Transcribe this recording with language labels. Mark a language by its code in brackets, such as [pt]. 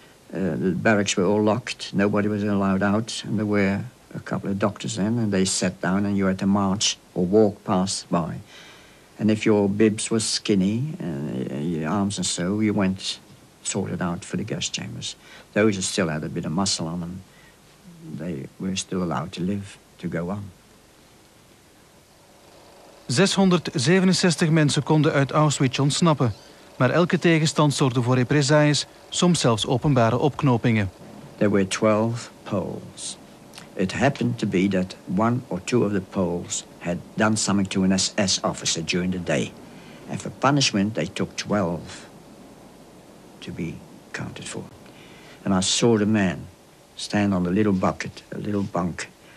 [en] The barracks were all locked. Nobody was allowed out. And there were a couple of doctors then, and they sat down and you had to march or walk past by. And if your bibs were skinny, your arms and so, you went sorted out for the gas chambers. Those who still had a bit of muscle on them, they were still allowed to live, to go on. [nl] 667 mensen konden uit Auschwitz ontsnappen. Maar elke tegenstand zorgde voor represailles, soms zelfs openbare opknopingen. [en] There were 12 Poles. It happened to be that one or two of the Poles had done something to an SS officer during the day. And for punishment, they took 12 to be counted for. And I saw the man stand on the little bucket, a little bunk,